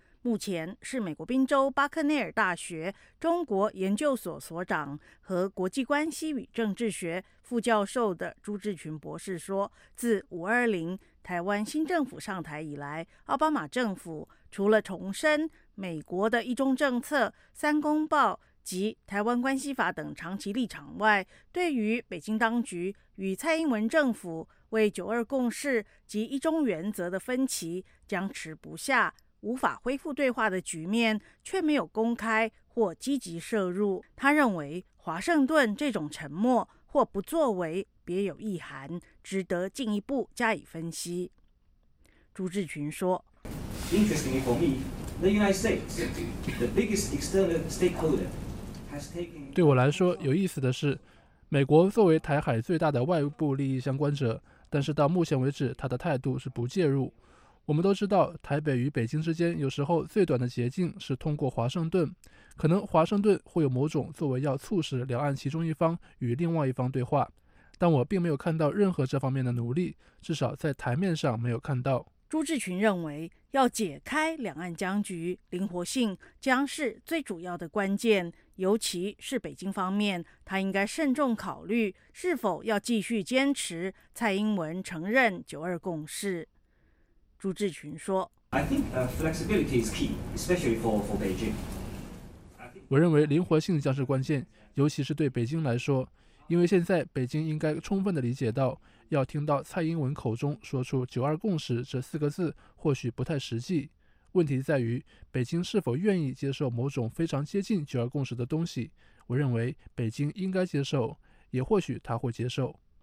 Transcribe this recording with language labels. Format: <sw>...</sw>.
<zh>目前是美国宾州巴克内尔大学中国研究所所长和国际关系与政治学副教授的朱志群博士说，自520台湾新政府上台以来，奥巴马政府除了重申美国的一中政策、三公报及台湾关系法等长期立场外，对于北京当局与蔡英文政府为九二共识及一中原则的分歧僵持不下，无法恢复对话的局面，却没有公开或积极涉入。他认为华盛顿这种沉默或不作为别有意涵，值得进一步加以分析。朱志群说</zh> <en>Interestingly for me, the United States, the biggest external stakeholder, has taken...</en> <zh>对我来说有意思的是，美国作为台海最大的外部利益相关者，但是到目前为止他的态度是不介入。我们都知道台北与北京之间有时候最短的捷径是通过华盛顿，可能华盛顿会有某种作为要促使两岸其中一方与另外一方对话，但我并没有看到任何这方面的努力，至少在台面上没有看到。朱志群认为要解开两岸僵局，灵活性将是最主要的关键，尤其是北京方面，他应该慎重考虑是否要继续坚持蔡英文承认九二共识。朱志群说</zh> <en>I think flexibility is key, especially for Beijing.</en> <zh>我认为灵活性将是关键，尤其是对北京来说，因为现在北京应该充分地理解到，要听到蔡英文口中说出九二共识这四个字或许不太实际。问题在于北京是否愿意接受某种非常接近九二共识的东西，我认为北京应该接受，也或许他会接受。</zh>